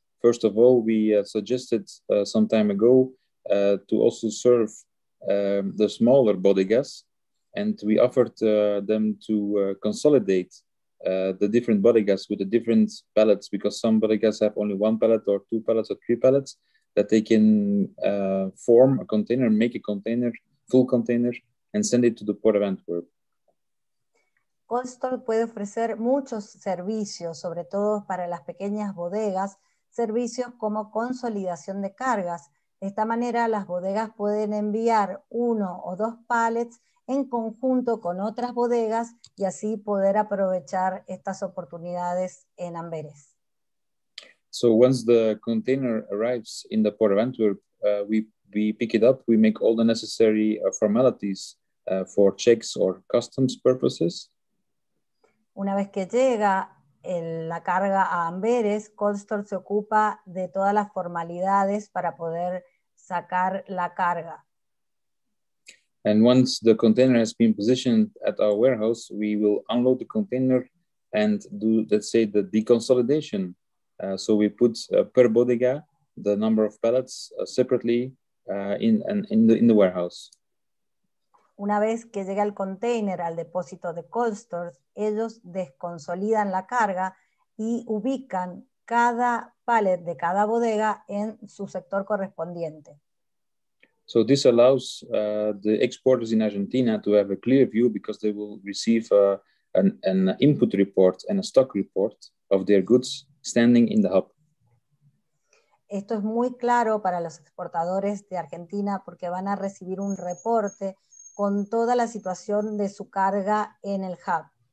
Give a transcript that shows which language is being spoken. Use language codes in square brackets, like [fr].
[en] First of all, we suggested some time ago to also serve the smaller bodegas, and we offered them to consolidate the different bodegas with the different pallets, because some bodegas have only one pallet or two pallets or three pallets, that they can form a container, make a container, full container, and send it to the port of Antwerp. [es] Cold Store puede ofrecer muchos servicios, sobre todo para las pequeñas bodegas, servicios como consolidación de cargas. De esta manera, las bodegas pueden enviar uno o dos pallets en conjunto con otras bodegas y así poder aprovechar estas oportunidades en Amberes. [en] So once the container arrives in the port of Antwerp, we pick it up, we make all the necessary formalities for checks or customs purposes. [es] Una vez que llega la carga a Amberes, Cold Store se ocupa de todas las formalidades para poder sacar la carga. [en] And once the container has been positioned at our warehouse, we will unload the container and do, let's say, the deconsolidation. So we put per bodega the number of pallets separately in the warehouse. [es] Una vez que llega el container al depósito de Cold Stores, ellos desconsolidan la carga y ubican cada pallet de cada bodega en su sector correspondiente. [en] So this allows the exporters in Argentina to have a clear view because they will receive an input report and a stock report of their goods standing in the hub. [es] Esto es muy claro para los exportadores de Argentina porque van a recibir un reporte con toda la situación de su carga en el hub.